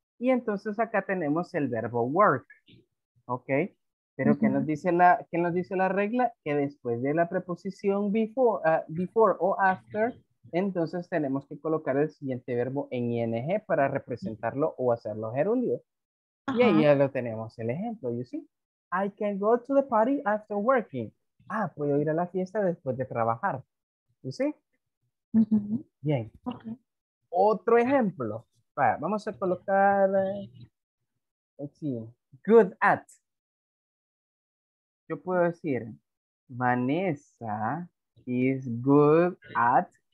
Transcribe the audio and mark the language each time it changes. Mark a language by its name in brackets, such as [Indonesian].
[Spanish] Y entonces acá tenemos el verbo work. Okay. Pero ¿qué nos dice la regla? Que después de la preposición before o after, entonces tenemos que colocar el siguiente verbo en ing para representarlo o hacerlo gerundio. Yeah, ya lo tenemos el ejemplo, [English] you see? I can go to the party after working. [Spanish] Ah, puedo ir a la fiesta después de trabajar. [English] You see? Mm-hmm. [Spanish] Bien. [English] Okay. [Spanish] Otro ejemplo. Vaya, vamos a colocar... [English] let's see. Good at. [Spanish] Yo puedo decir, Vanessa [English] is good at...